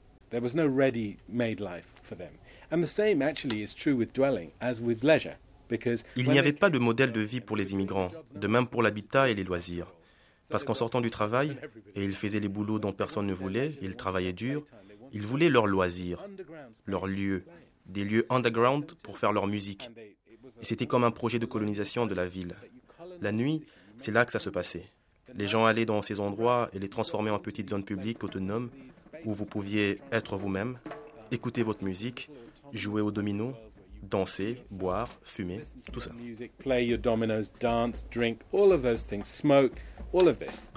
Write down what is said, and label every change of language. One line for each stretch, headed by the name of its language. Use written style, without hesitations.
English: There was no ready-made life for them. And the same actually is true with dwelling as with leisure.
French: Il n'y avait pas de modèle de vie pour les immigrants, de même pour l'habitat et les loisirs. Parce qu'en sortant du travail, et ils faisaient les boulots dont personne ne voulait, ils travaillaient dur, ils voulaient leurs loisirs, leurs lieux, des lieux underground pour faire leur musique. Et c'était comme un projet de colonisation de la ville. La nuit, c'est là que ça se passait. Les gens allaient dans ces endroits et les transformaient en petites zones publiques autonomes où vous pouviez être vous-même, écouter votre musique, jouer au domino, danser, boire, fumer, tout ça.
English: Play your dominoes, dance, drink, all of those things, smoke, all of it.